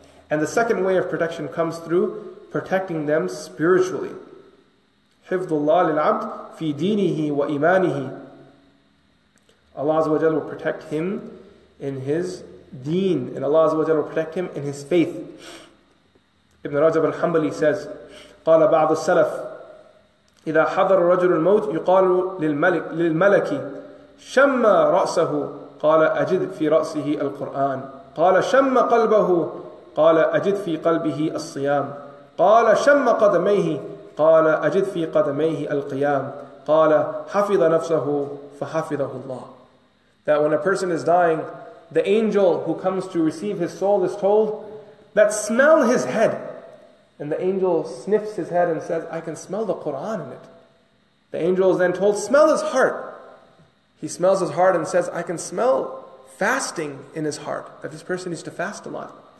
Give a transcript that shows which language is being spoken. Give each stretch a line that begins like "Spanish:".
English: And the second way of protection comes through protecting them spiritually.
Arabic: حِفْظُ اللَّهِ لِلْعَبْدِ فِي دِينِهِ وَإِمَانِهِ.
English: Allah azza wa jalla will protect him in his deen, and Allah azza wa jalla will protect him in his faith.
Arabic: Ibn Rajab al-Hanbali
English: says,
Arabic: قَالَ بَعْضُ السَّلَفِ إِذَا حَضَرَ الرَّجُلُ الْمَوْتِ يُقَالُ لِلْمَلَكِ شَمَّ رَأْسَهُ قَالَ أَجِدْ فِي رَأْسِهِ الْقُرْآنِ قَالَ شَمَّ قَلْبَهُ قَالَ أَجِدْ فِي قَلْبِهِ الصِّيَامِ قَالَ شَمَّ قَدَمَيْهِ قَالَ أَجِدْ فِي قَدَمَيْهِ الْقِيَامِ قَالَ حَفِظَ نَفْسَهُ فَحَفِظَهُ اللَّهُ.
English: That when a person is dying, the angel who comes to receive his soul is told that smell his head. And the angel sniffs his head and says, I can smell the Qur'an in it. The angel is then told, smell his heart. He smells his heart and says, I can smell fasting in his heart, that this person needs to fast a lot.